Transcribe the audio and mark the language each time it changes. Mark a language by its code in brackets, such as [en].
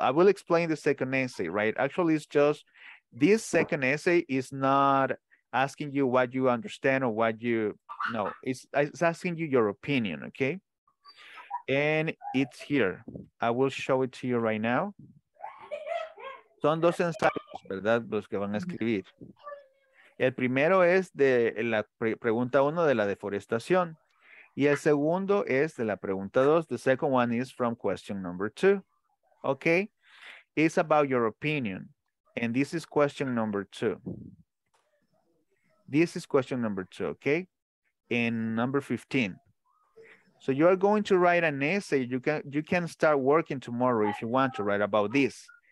[en] I will explain the second essay, right? Actually, it's just, this second essay is not asking you what you understand or what you, no, it's asking you your opinion, okay? And it's here. I will show it to you right now. [es] Son dos ensayos, ¿verdad? Los que van a escribir. El primero es de la pregunta uno de la deforestación. Y el segundo es de la pregunta dos. [en] The second one is from question number two. Okay? It's about your opinion. And this is question number two. This is question number two, okay? And number 15. So you are going to write an essay. You can start working tomorrow if you want to write about this.